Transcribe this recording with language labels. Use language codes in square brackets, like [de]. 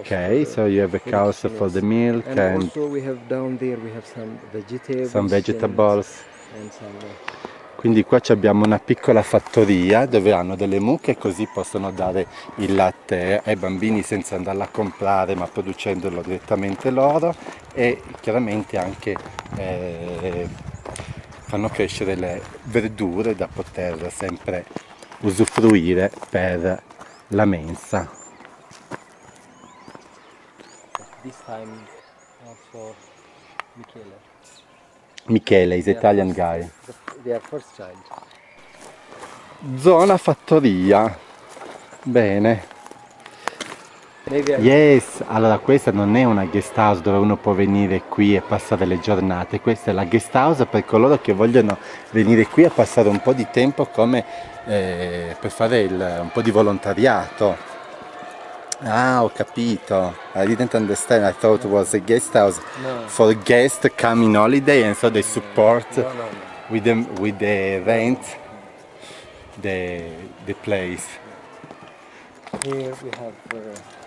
[en] Okay, so you have a cow for the milk. And also we have down there, we have some vegetables. Some vegetables. And some, [it] quindi qua abbiamo una piccola fattoria dove hanno delle mucche, così possono dare il latte ai bambini senza andarla a comprare, ma producendolo direttamente loro. E chiaramente anche fanno crescere le verdure da poter sempre usufruire per la mensa. [en] This time also Michele. Michele is Italian guy. They are first child. [it] Zona fattoria. Bene. Yes, allora questa non è una guest house dove uno può venire qui e passare le giornate, questa è la guest house per coloro che vogliono venire qui a passare un po' di tempo come per fare un po' di volontariato. Ah, ho capito. [en] I didn't understand, I thought it was a guest house for guests coming holiday and so they support with the rent the place. Here we have